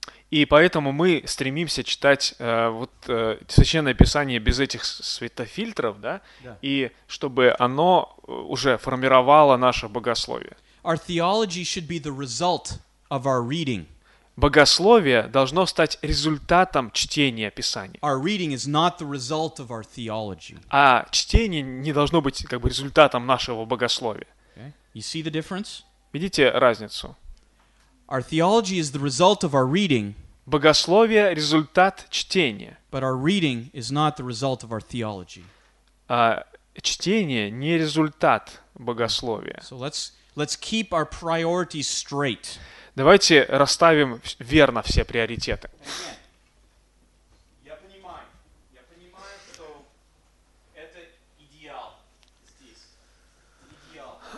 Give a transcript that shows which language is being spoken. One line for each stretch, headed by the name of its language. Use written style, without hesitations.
Russian: И поэтому мы стремимся читать Священное Писание без этих светофильтров, да? И чтобы оно уже формировало наше богословие.
English: Our theology should be the result of our reading.
Russian: Богословие должно стать результатом чтения Писания.
English: Our reading is not the result of our theology.
Russian: А чтение не должно быть как бы результатом нашего богословия.
English: Okay. You see the difference?
Russian: Видите разницу?
English: Our theology is the result of our reading.
Russian: Богословие – результат чтения.
English: But our reading is not the result of our theology.
Russian: А чтение не результат богословия.
English: So let's keep our priorities straight.
Russian: Давайте расставим верно все приоритеты. Я понимаю, что это идеал здесь. Идеал.